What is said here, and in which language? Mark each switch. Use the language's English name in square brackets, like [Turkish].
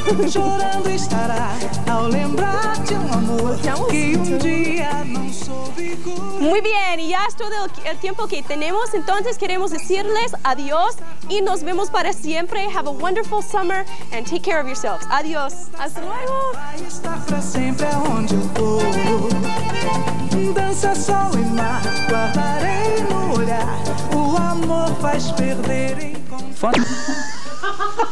[Portuguese] Chorando estará ao lembrar de um amor que dia não soube curar. [Spanish] Muy bien, y ya es todo el tiempo que tenemos. Entonces queremos decirles adiós y nos vemos para siempre. [English] Have a wonderful summer and take care of yourselves. [Spanish] Adiós. Hasta luego. [Portuguese] Vai estar pra sempre aonde eu vou. Dança sol e mar, guardarei no olhar. O amor faz perder encontro.